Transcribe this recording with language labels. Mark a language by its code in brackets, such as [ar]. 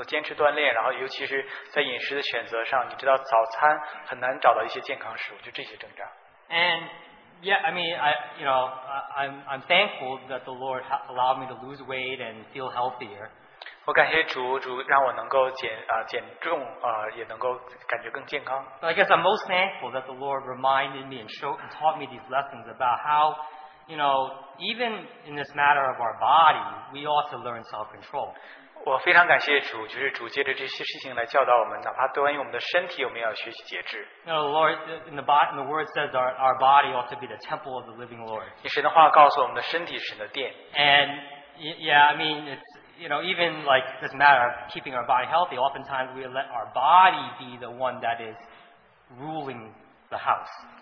[zh] 其实那个挣扎其实就是说怎么样如何每天都能够坚持锻炼，然后尤其是在饮食的选择上, 你知道早餐很难找到一些健康食物，就这些挣扎。 [en] And yeah, I'm thankful that the Lord allowed me to lose weight and feel healthier. [zh] 我感谢主让我能够减重，也能够感觉更健康。 [en] I guess I'm most thankful that the Lord reminded me and taught me these lessons about how, you know, even in this matter of our body, we ought to learn self-control. [zh] 我非常感谢主，就是主借着这些事情来教导我们，哪怕关于我们的身体，我们要学习节制。 [en] You know, the Lord, the Word says our body ought to be the temple of the living Lord. [zh] 神的话告诉我们的身体是神的殿。 [en] And yeah, I mean, it's, you know, even like this matter of keeping our body healthy, oftentimes we let our body be the one that is ruling the house.